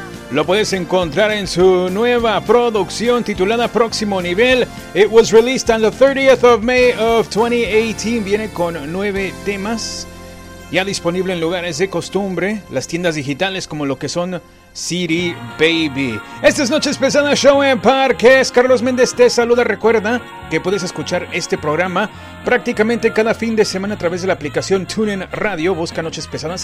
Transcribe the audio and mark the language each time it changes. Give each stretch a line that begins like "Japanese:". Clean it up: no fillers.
Spanish: Lo puedes encontrar en su nueva producción titulada Próximo Nivel.
English: It was released on the 30th of May of 2018.
Spanish: Viene con 9 temas. Ya disponible en lugares de costumbre, las tiendas digitales como lo que son City Baby. Esta es Noches Pesadas Show en Parques. Carlos Méndez te saluda. Recuerda que puedes escuchar este programa prácticamente cada fin de semana a través de la aplicación TuneIn Radio. Busca Noches Pesadas.